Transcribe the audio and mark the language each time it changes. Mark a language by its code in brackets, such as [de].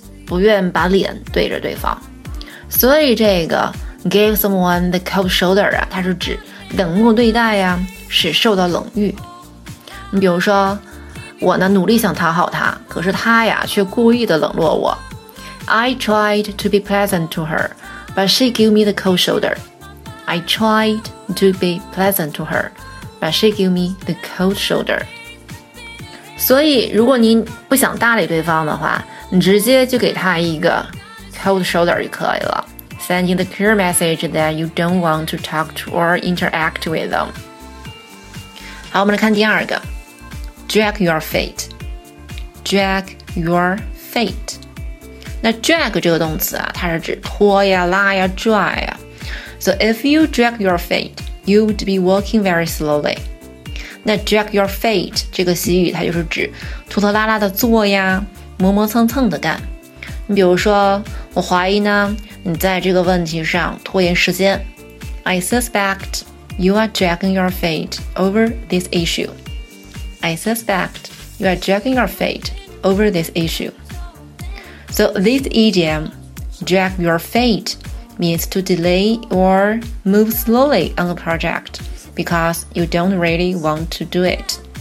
[zh] 不愿把脸对着对方。所以这个 give someone the cold shoulder 啊，它是指冷漠对待呀，使受到冷遇。你比如说。我呢努力想讨好他，可是他呀却故意的冷落我。 [en] I tried to be pleasant to her, but she gave me the cold shoulder. I tried to be pleasant to her, but she gave me the cold shoulder. [zh] 所以如果您不想搭理对方的话，你直接就给他一个 cold shoulder 就可以了， [en] sending the clear message that you don't want to talk to or interact with them. [zh] 好，我们来看第二个，drag your feet, drag your feet. 那 drag 这个动词啊，它是指拖呀、拉呀、拽呀。 [en] So if you drag your feet, you'd be walking very slowly. [zh] 那 drag your feet 这个习语，它就是指拖拖拉拉的坐呀，磨磨蹭蹭的干。你比如说，我怀疑呢，你在这个问题上拖延时间。 [en] I suspect you are dragging your feet over this issue. I suspect you are dragging your feet over this issue. So this idiom, drag your feet, means to delay or move slowly on a project because you don't really want to do it.